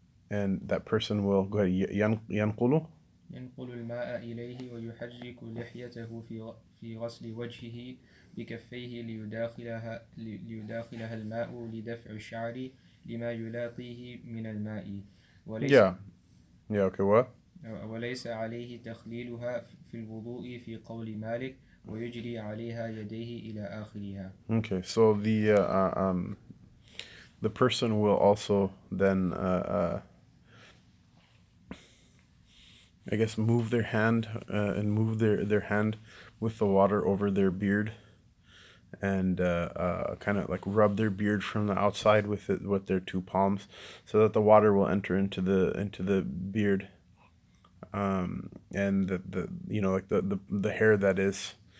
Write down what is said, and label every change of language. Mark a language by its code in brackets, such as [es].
[en] And that person will go ahead. [ar] ينقلوا. ينقل الماء إليه ويحرك لحيته في غسل وجهه بكفيه ليداخلها الماء لدفع الشعر لما يلاقيه من الماء. وليس [en] yeah, okay, what? [ar] وليس عليه تخليلها في الوضوء في قول مالك ويجري عليها يديه إلى آخرها. [en] Okay, so the person will also then I guess move their hand and move their hand with the water over their beard and kind of like rub their beard from the outside with it, with their two palms, so that the water will enter into the beard and the hair that is